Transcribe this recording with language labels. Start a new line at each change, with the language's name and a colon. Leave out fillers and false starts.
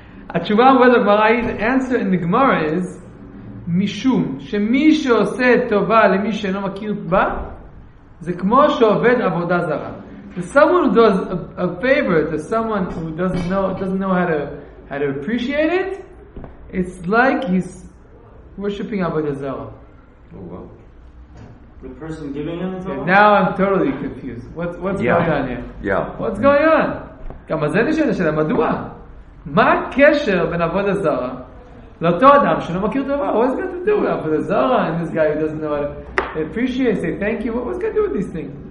Hebrew: התשובה אומרת הגמרא היא,
English: the answer in the Gemara is
Hebrew: משום שמי שעושה טובה למי שאינו מכיר בה זה כמו שעובד עבודה זרה.
English: If someone does a favor to someone who doesn't know how to appreciate it, it's like he's worshipping Avodah Zarah. Oh wow. The person giving him the Torah? Now I'm totally confused. What's going on here? Yeah. What's going on?
Hebrew: גם זה נשאל שאלה, מדוע? מה הקשר בין עבודה זרה לאותו אדם שלא מכיר טובה?
English: What's going to do with עבודה זרה and this guy who doesn't know how to appreciate, say thank you? What's going to do with this thing?